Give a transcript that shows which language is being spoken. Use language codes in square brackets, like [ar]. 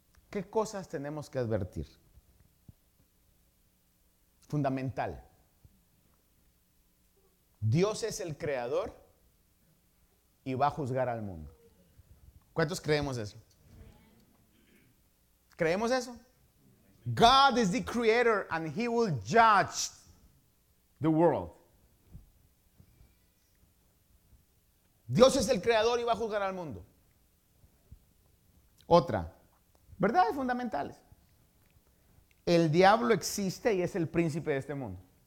[es] ¿Qué cosas tenemos que advertir? Fundamental. Dios es el creador y va a juzgar al mundo. ¿Cuántos creemos eso? ¿Creemos eso? [en] God is the creator and he will judge the world. [es] Dios es el creador y va a juzgar al mundo. Otra. Verdades fundamentales. El diablo existe y es el príncipe de este mundo.